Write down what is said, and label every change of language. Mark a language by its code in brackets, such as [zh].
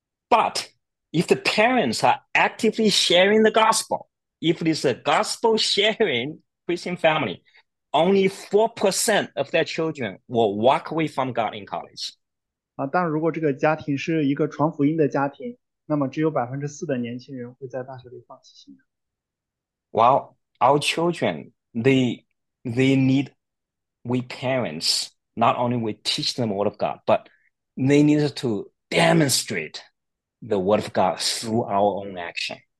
[en] But if the parents are actively sharing the gospel, if it is a gospel sharing Christian family, only 4% of their children will walk away from God in college. [zh] 但如果这个家庭是一个传福音的家庭，那么只有4%的年轻人会在大学里放弃信仰。 [en] Well, our children, they need we parents, not only we teach them the word of God, but they need to demonstrate the word of God through our own action.